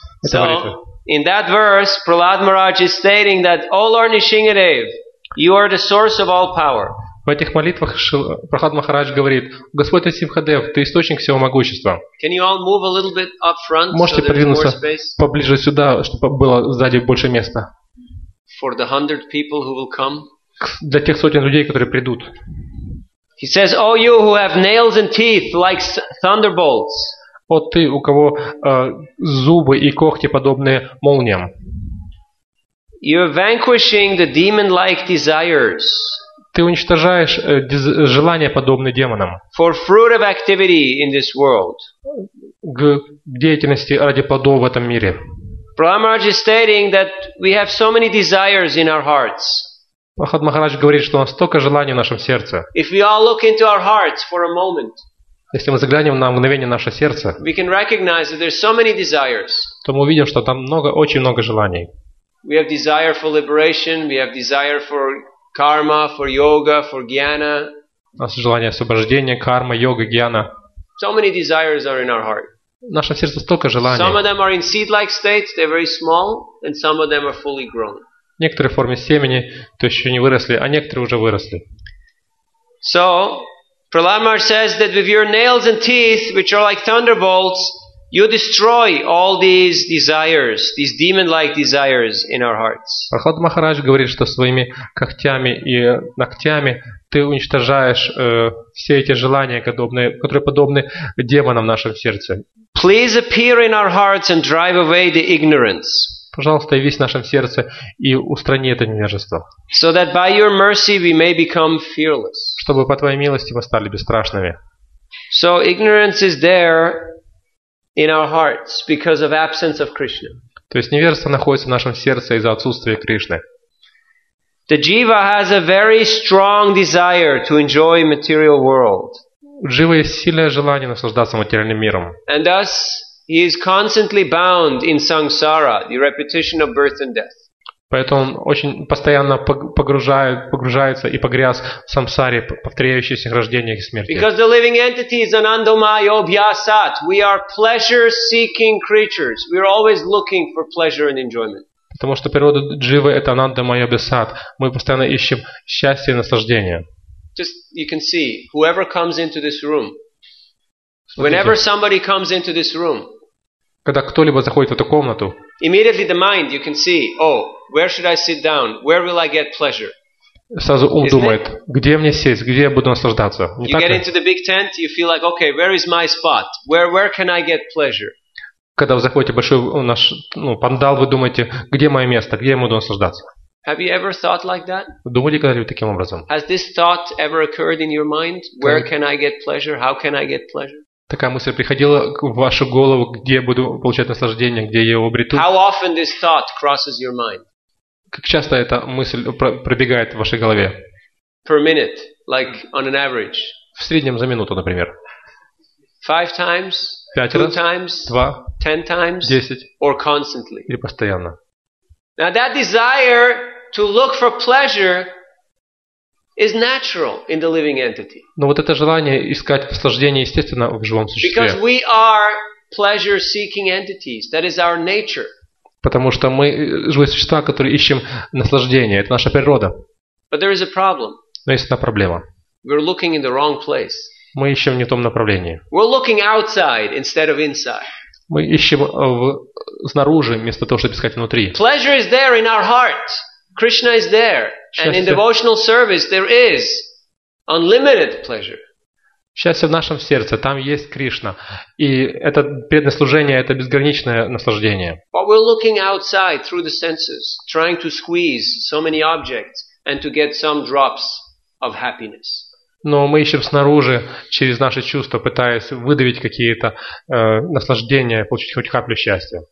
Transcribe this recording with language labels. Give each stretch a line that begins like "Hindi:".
English: So in that verse, Prahlad Maharaj is stating that, O Lord Nrisingadev, you are the source of all power.
Russian: В этих молитвах Прахлад Махарадж говорит, Господь Нрисимхадев, ты источник всего могущества.
English: Can you all move a little bit up front?
Russian: Можете продвинуться поближе сюда, чтобы было сзади больше места.
English: For the 100 people who will come.
Russian: Для тех сотен людей, которые придут.
English: He says, "O you who have nails and teeth like thunderbolts."
Russian: О ты, у кого зубы и когти подобные молниям.
English: You are vanquishing the demon-like desires.
Russian: Ты уничтожаешь желания подобные демонам.
English: For fruit of activity in this world.
Russian: К деятельности ради плодов в этом мире.
English: Prahlad is stating that we have so many desires in our hearts.
Russian: Прахлад Махарадж говорит, что у нас столько желаний в нашем сердце.
English: If we all look into our hearts for a moment,
Russian: если мы заглянем на мгновение в наше сердце,
English: we can recognize that there's so many desires.
Russian: То мы увидим, что там много, очень много желаний.
English: We have desire for liberation, we have desire for karma, for yoga, for jnana.
Russian: У нас желание освобождения, карма, йога, гьяна.
English: So many desires are in our heart.
Russian: В нашем сердце столько желаний.
English: Some of them are in seed-like states, they're very small, and some of them are fully grown.
Russian: Некоторые в форме семени, то еще не выросли, а некоторые уже выросли.
English: So, Prahlad Maharaj says that with your nails and teeth, which are like thunderbolts, you destroy all these desires, these demon-like desires in our hearts.
Russian: Прахлад Махарадж говорит, что своими когтями и ногтями ты уничтожаешь все эти желания, которые подобны демонам в нашем сердце.
English: Please appear in our hearts and drive away the ignorance.
Russian: Пожалуйста, явись в нашем сердце и устрани это невежество.
English: So that by your mercy we may become fearless.
Russian: Чтобы по твоей милости мы стали бесстрашными.
English: So ignorance is there in our hearts because of absence of Krishna.
Russian: То есть невежество находится в нашем сердце из-за отсутствия Кришны.
English: The jiva has a very strong desire to enjoy material world.
Russian: У дживы есть сильное желание наслаждаться материальным миром.
English: And thus he is constantly bound in samsara, the repetition of birth and death.
Russian: Поэтому он очень постоянно погружается и погряз в самсаре, повторяющиеся рождения и смерти.
English: Because the living entity is
Sanskrit: anandamaya obhyasat,
English: we are pleasure-seeking creatures. We are always looking for pleasure and enjoyment.
Russian: Потому что природа дживы это анандамая обхьясат. Мы постоянно ищем счастье и наслаждение.
English: Just you can see whoever comes into this room. Whenever somebody comes into this room,
Russian: когда кто-либо заходит в эту комнату,
English: immediately the mind, you can see, oh, where should I sit down? Where will I get pleasure?
Russian: сразу ум думает, где мне сесть, где я буду наслаждаться. Не
English: you get into the big tent, you feel like, okay, where is my spot? Where can I get pleasure?
Russian: Когда вы заходите в большой наш пандал, вы думаете, где мое место, где я буду наслаждаться?
English: Have you ever thought like that?
Russian: Думали когда-либо таким образом?
English: Has this thought ever occurred in your mind? Where can I get pleasure? How can I get pleasure?
Russian: Такая мысль приходила в вашу голову, где я буду получать наслаждение, где я его обрету?
English: How often this thought crosses your mind?
Russian: Как часто эта мысль пробегает в вашей голове?
English: Per minute, like on an average.
Russian: В среднем за минуту, например.
English: Five times.
Russian: Пять
English: two
Russian: раз.
English: Times.
Russian: Два.
English: Ten times.
Russian: Десять.
English: Or constantly.
Russian: Или постоянно.
English: Now that desire to look for pleasure is natural in the living entity.
Russian: Но вот это желание искать наслаждение естественно в живом существе.
English: Because we are pleasure-seeking entities. That is our nature.
Russian: Потому что мы живые существа, которые ищем наслаждение. Это наша природа.
English: But there is a problem.
Russian: Но есть одна проблема.
English: We're looking in the wrong place.
Russian: Мы ищем не в том направлении.
English: We're looking outside instead of inside.
Russian: Мы ищем снаружи, вместо того, чтобы искать внутри.
English: Pleasure is there in our heart. Krishna is there.
Russian: Счастье.
English: And in devotional service there is unlimited pleasure.
Russian: Счастье в нашем сердце, там есть Кришна. И это преданное служение, это безграничное наслаждение.
English: But we're looking outside through the senses, trying to squeeze so many objects and to get some drops of happiness.
Russian: Но мы ищем снаружи, через наши чувства, пытаясь выдавить какие-то наслаждения, получить хоть каплю счастья.